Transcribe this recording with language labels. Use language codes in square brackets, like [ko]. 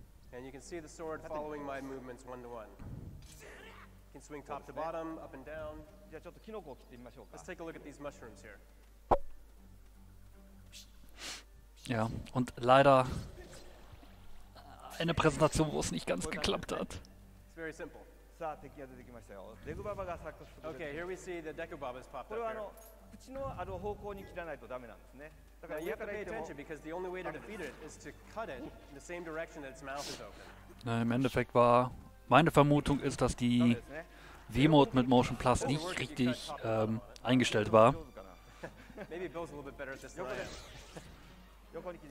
[en] And you can see the sword following my movements one to one. You can swing top to bottom, up and down. Let's take a look at these mushrooms here. [de] Ja, und leider eine Präsentation, wo es nicht ganz geklappt hat. [en] It's very simple. Okay, here we see the Dekubaba's popped up here. Now you have to pay attention because the only way to defeat it is to cut it in the same direction that its mouth is open. [de] Na, im Endeffekt war, meine Vermutung ist, dass die V-Mode mit Motion Plus nicht richtig eingestellt war. [en] Maybe Bill's a little bit better at this than I am.